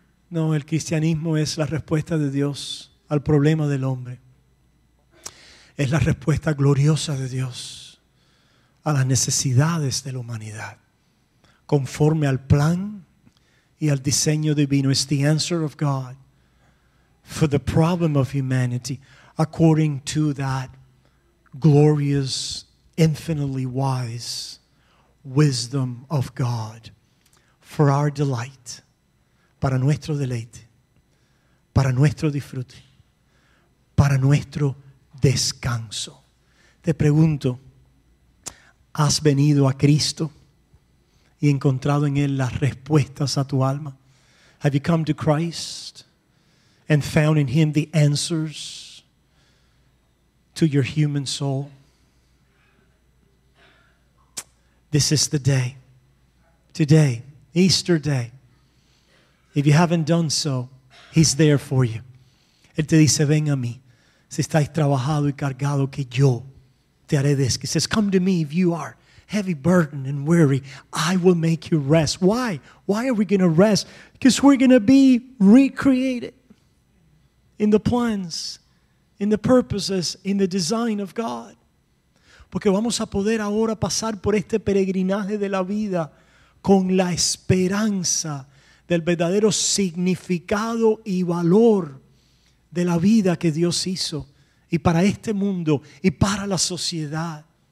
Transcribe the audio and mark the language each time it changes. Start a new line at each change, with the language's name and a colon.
Spanish: No, el cristianismo es la respuesta de Dios al problema del hombre. Es la respuesta gloriosa de Dios a las necesidades de la humanidad, conforme al plan y al diseño divino.
English: It's the answer of God for the problem of humanity according to that glorious, infinitely wise wisdom of God for our delight.
Spanish: Para nuestro deleite, para nuestro disfrute, para nuestro descanso. Te pregunto, ¿has venido a Cristo y encontrado en Él las respuestas a tu alma?
English: Have you come to Christ and found in Him the answers to your human soul? This is the day, today, Easter Day. If you haven't done so, He's there for you.
Spanish: Él te dice, ven a mí. Si estáis trabajado y cargado, que yo te haré descanso.
English: He says, come to me if you are heavy burden and weary. I will make you rest. Why? Why are we going to rest? Because we're going to be recreated in the plans, in the purposes, in the design of God.
Spanish: Porque vamos a poder ahora pasar por este peregrinaje de la vida con la esperanza del verdadero significado y valor de la vida que Dios hizo y para este mundo y para la sociedad.